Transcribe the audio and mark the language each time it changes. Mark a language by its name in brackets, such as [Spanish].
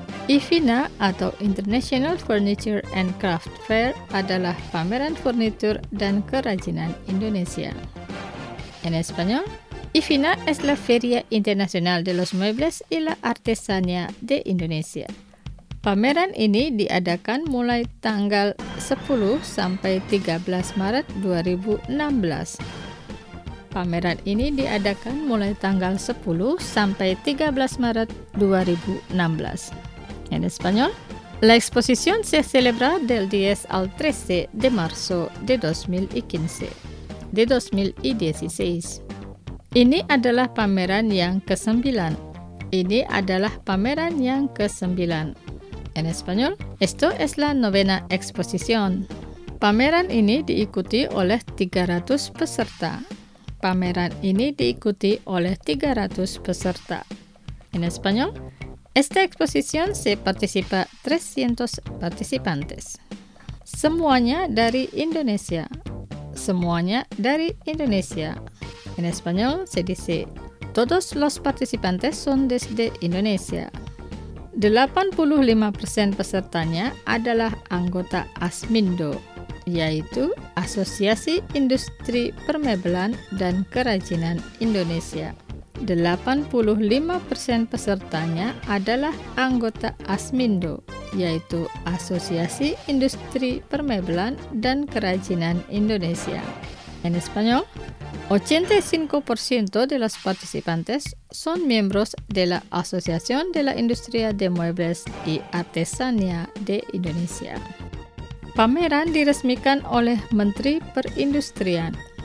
[Indonesian] Ifina atau International Furniture and Craft Fair adalah pameran furnitur dan kerajinan Indonesia. [Spanish] En español, Ifina es la Feria Internacional de los Muebles y la Artesanía de Indonesia. [Indonesian] Pameran ini diadakan mulai tanggal 10 sampai 13 Maret 2016. Pameran ini diadakan mulai tanggal 10 sampai 13 Maret 2016. [Spanish] En español, la exposición se celebra del 10 al 13 de marzo de 2015. De 2016. [Indonesian] Ini adalah pameran yang ke-9. Ini adalah pameran yang ke-9. [Spanish] En español, esto es la novena exposición. [Indonesian] Pameran ini diikuti oleh 300 peserta. Pameran ini diikuti oleh 300 peserta. [Spanish] En español, esta exposición se participa 300 participantes. [Indonesian] Semuanya dari Indonesia. Semuanya dari Indonesia. [Spanish] En español se dice, todos los participantes son desde Indonesia. [Indonesian] 85% pesertanya adalah anggota ASMINDO, yaitu Asosiasi Industri Permebelan dan Kerajinan Indonesia. 85% pesertanya adalah anggota ASMINDO, yaitu Asosiasi Industri Permebelan dan Kerajinan Indonesia. [Spanish] En español, 85% de los participantes son miembros de la Asociación de la Industria de Muebles y Artesanía de Indonesia. [Indonesian] Pameran diresmikan oleh Menteri Perindustrian.